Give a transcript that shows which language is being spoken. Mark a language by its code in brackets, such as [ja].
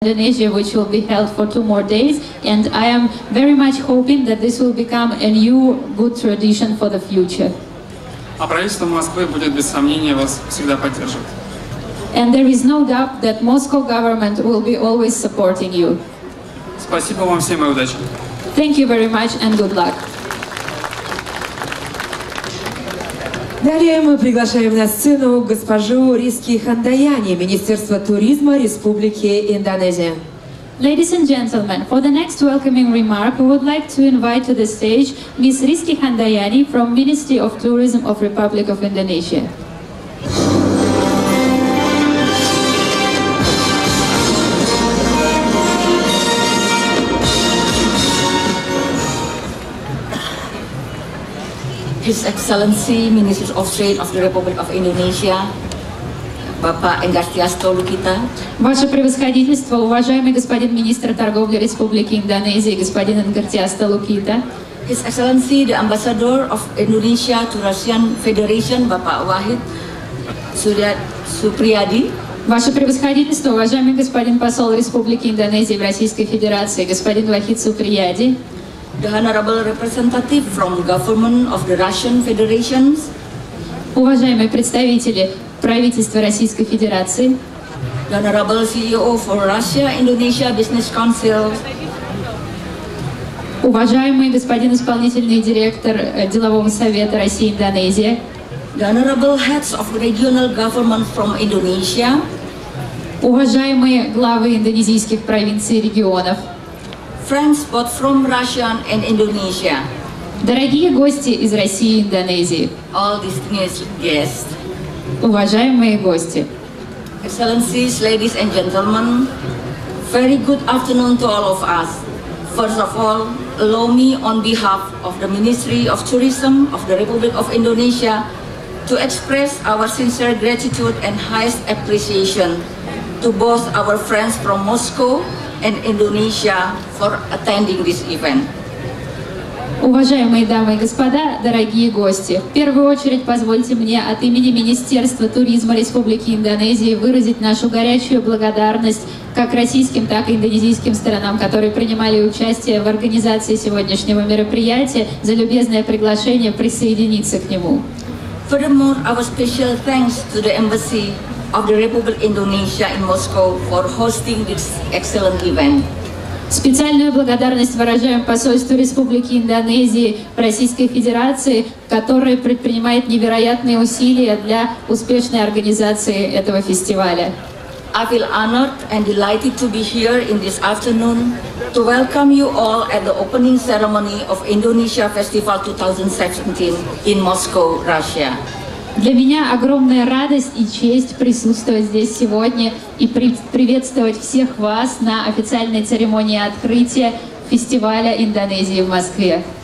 [en] Indonesia, which will be held for two more days, and I am very much hoping that this will become a new good tradition for the future. [ru] А правительство Москвы будет без сомнения вас всегда поддерживать. [en] And there is no doubt that Moscow government will be always supporting you. [ru] Спасибо вам всем и удачи. [en] Thank you very much and good luck. [ru] Далее мы приглашаем на сцену госпожу Риски Хандаяни, Министерство туризма Республики Индонезия. [en] Ladies and gentlemen, for the next welcoming remark, we would like to invite to the stage Ms. Riski Handayani from Ministry of Tourism of Republic of Indonesia. His Excellency, Minister of Trade of the Republic of Indonesia, Bapak Enggar Tiasto Lukita. [ru] Ваше превосходительство, уважаемый господин министр торговли Республики Индонезии, господин Энгар Тиасто Лукита. [en] His Excellency, the Ambassador of Indonesia to Russian Federation, Bapak Wahid Supriyadi. [ru] Ваше превосходительство, уважаемый господин посол Республики Индонезии в Российской Федерации, господин Вахид Суприяди. [en] The Honorable Representative from Government of the Russian Federation. [ru] Уважаемые представители правительства Российской Федерации. [en] The Honorable CEO for Russia-Indonesia Business Council. [ru] Уважаемый господин исполнительный директор делового совета России-Индонезия. [en] The Honorable Heads of Regional Government from Indonesia. [ru] Уважаемые главы индонезийских провинций и регионов. [en] Friends both from Russia and Indonesia. [ru] Дорогие гости из России и Индонезии. [en] All distinguished guests. [ru] Уважаемые гости. [en] Excellencies, ladies and gentlemen, very good afternoon to all of us. First of all, allow me on behalf of the Ministry of Tourism of the Republic of Indonesia to express our sincere gratitude and highest appreciation to both our friends from Moscow and Indonesia for attending this event. [ru] Уважаемые дамы и господа, дорогие гости, в первую очередь позвольте мне от имени Министерства туризма Республики Индонезии выразить нашу горячую благодарность как российским, так и индонезийским сторонам, которые принимали участие в организации сегодняшнего мероприятия, за любезное приглашение присоединиться к нему. [en] Furthermore, our special thanks to the Embassy of the Republic of Indonesia in Moscow for hosting this excellent event. [ru] Специальную благодарность выражаем посольству Республики Индонезии в Российской Федерации, которое предпринимает невероятные усилия для успешной организации этого фестиваля. [en] I feel honored and delighted to be here in this afternoon to welcome you all at the opening ceremony of Indonesia Festival 2017 in Moscow, Russia. [ru] Для меня огромная радость и честь присутствовать здесь сегодня и приветствовать всех вас на официальной церемонии открытия фестиваля Индонезии в Москве.